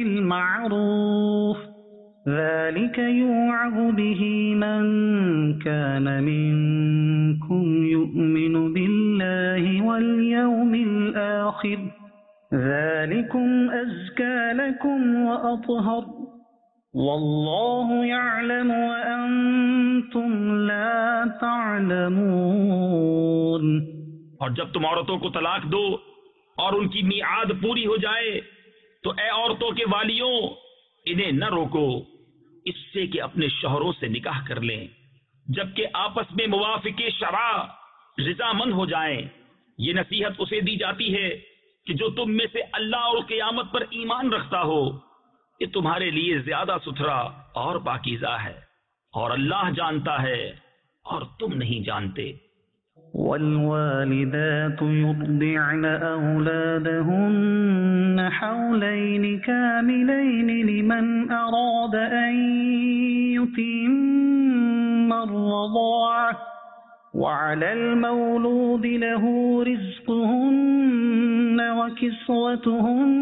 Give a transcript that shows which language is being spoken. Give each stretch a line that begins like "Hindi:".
Arabic: بالمعروف ذلك يوعظ به من كان منكم يؤمن بالله واليوم الآخر ذلكم أزكى لكم وأطهر والله يعلم وأنتم لا تعلمون.
Urdu: اور جب تم عورتوں کو طلاق دو اور ان کی میعاد پوری ہو جائے تو اے عورتوں کے والیوں انہیں نہ روکو اس سے کہ اپنے شوہروں سے نکاح کر لیں جبکہ آپس میں موافق شرع رضا مند ہو جائیں. یہ نصیحت اسے دی جاتی ہے کہ جو تم میں سے اللہ اور قیامت پر ایمان رکھتا ہو یہ تمہارے لیے زیادہ ستھرا اور پاکیزہ ہے اور اللہ جانتا ہے اور تم نہیں جانتے.
Arabic: والوالدات يرضعن أولادهن حولين كاملين لمن أراد أن يتم الرضاعة وعلى المولود له رزقهن وكسوتهن